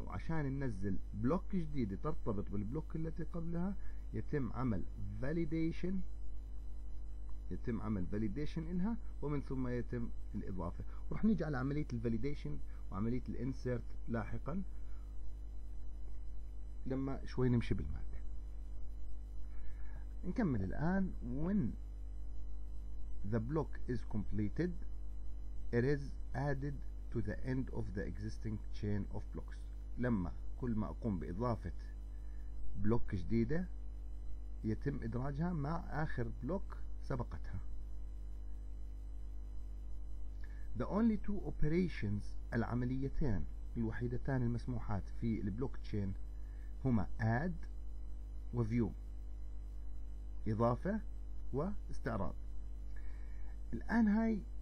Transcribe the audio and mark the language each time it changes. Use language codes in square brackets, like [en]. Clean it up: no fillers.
[ar] وعشان ننزل بلوك جديد ترتبط بالبلوك التي قبلها يتم عمل فاليديشن، يتم عمل فاليديشن إلها، ومن ثم يتم الإضافة. ورح نيجي على عملية الفاليديشن وعملية الانسرت لاحقا لما شوي نمشي بالمادة. نكمل الآن. [en] When the block is completed it is added to the end of the existing chain of blocks. [ar] لما كل ما أقوم بإضافة بلوك جديدة يتم إدراجها مع آخر بلوك سبقتها. [en] The only two operations، [ar] العمليتين الوحيدتان المسموحات في البلوك تشين هما add و view، إضافة واستعراض. الآن هاي